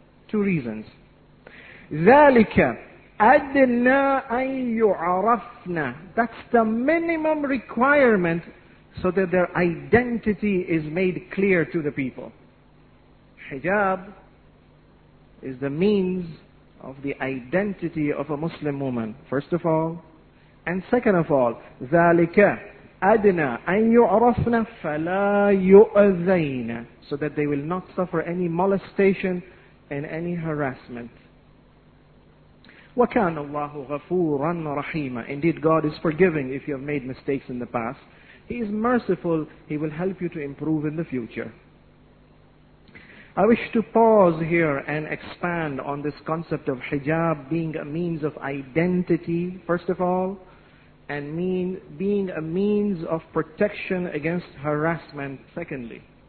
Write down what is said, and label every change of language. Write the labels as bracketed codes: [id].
[en] Two reasons. [ar] ذلك أدنى أن يعرفنا. [en] That's the minimum requirement so that their identity is made clear to the people. Hijab is the means of the identity of a Muslim woman, first of all. And second of all, [ar] ذلك أدنى أن يعرفنا فلا يؤذين. [en] So that they will not suffer any molestation and any harassment. [ar] وَكَانَ اللَّهُ غَفُورًا رَحِيمًا. [en] Indeed, God is forgiving if you have made mistakes in the past. He is merciful. He will help you to improve in the future. I wish to pause here and expand on this concept of hijab being a means of identity, first of all, and being a means of protection against harassment, secondly.